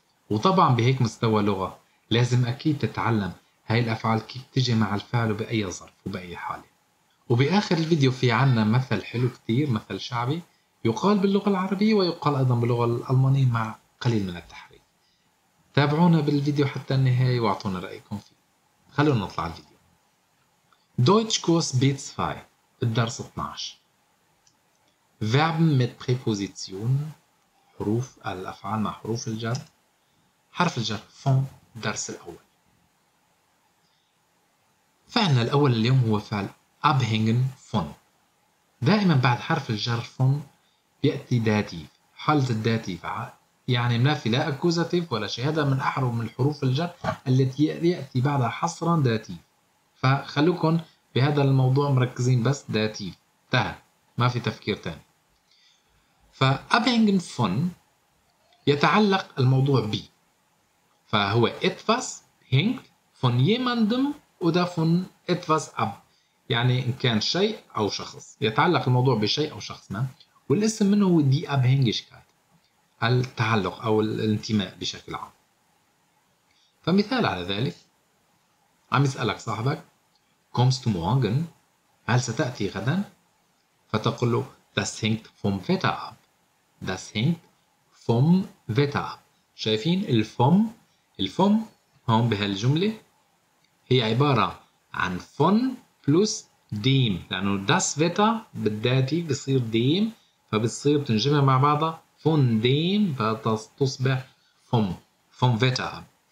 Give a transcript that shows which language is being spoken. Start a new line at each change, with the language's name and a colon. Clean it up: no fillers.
Arabic: وطبعا بهيك مستوى لغة لازم أكيد تتعلم هاي الأفعال كيف تجي مع الفعل وبأي ظرف وبأي حالة. وبآخر الفيديو في عنا مثل حلو كتير، مثل شعبي يقال باللغة العربية ويقال أيضا باللغة الألمانية مع قليل من التحريف. تابعونا بالفيديو حتى النهاية واعطونا رأيكم فيه. خلونا نطلع الفيديو.
German: Deutsch Kurs Beats 5،
Arabic: الدرس 12.
German: Verben mit Präposition،
Arabic: حروف الأفعال مع حروف الجر، حرف الجر فون. الدرس الأول، فعلنا الأول اليوم هو فعل abhängen von. دائما بعد حرف الجر فون يأتي داتيف، حالة الداتيف يعني ما في لا أكوزاتيف ولا شهادة من أحرف من حروف الجر التي يأتي بعدها حصرا داتيف. فخلوكم بهذا الموضوع مركزين، بس داتيف انتهى، ما في تفكير تاني. فabhängen von يتعلق الموضوع بي، فهو
German: etwas hängt von jemandem oder von etwas ab،
Arabic: يعني إن كان شيء أو شخص، يتعلق الموضوع بشيء أو شخص ما، والاسم منه هو die Abhängigkeit، التعلق أو الانتماء بشكل عام. فمثال على ذلك، عم يسألك صاحبك
German: kommst du morgen،
Arabic: هل ستأتي غدا؟ فتقول له
German: das hängt vom Wetter ab، das hängt vom Wetter ab.
Arabic: شايفين الفوم؟ الفوم هون بهالجملة هي عبارة عن فون بلس ديم، لأنه داس فيتا بالداتي بصير ديم، فبتصير تنجمع مع بعضها فون ديم فتصبح فوم، فوم فيتا.